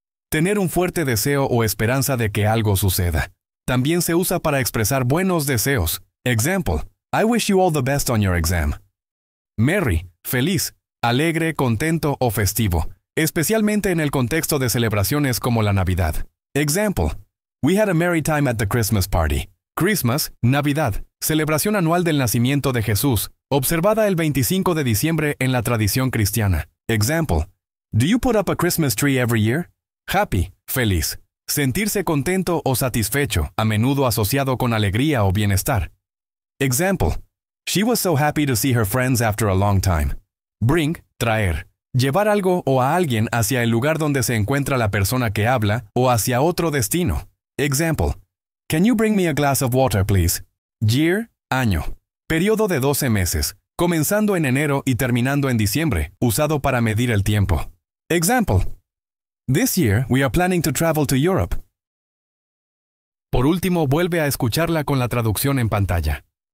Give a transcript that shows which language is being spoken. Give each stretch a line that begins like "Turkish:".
Spanish: Tener un fuerte deseo o esperanza de que algo suceda. También se usa para expresar buenos deseos.
English: Example: I wish you all the best on your exam.
Spanish: Merry, feliz, alegre, contento o festivo, especialmente en el contexto de celebraciones como la Navidad.
English: Example: We had a merry time at the Christmas party.
Spanish: Christmas, Navidad, celebración anual del nacimiento de Jesús, observada el 25 de diciembre en la tradición cristiana.
English: Example: Do you put up a Christmas tree every year?
Spanish: Happy, feliz. Sentirse contento o satisfecho, a menudo asociado con alegría o bienestar.
English: Example: She was so happy to see her friends after a long time.
Spanish: Bring, traer. Llevar algo o a alguien hacia el lugar donde se encuentra la persona que habla o hacia otro destino.
English: Example: Can you bring me a glass of water, please?
Spanish: Year, año. Periodo de 12 meses, comenzando en enero y terminando en diciembre, usado para medir el tiempo.
English: Example: This year we are planning to travel to Europe.
Spanish: Por último, vuelve a escucharla con la traducción en pantalla.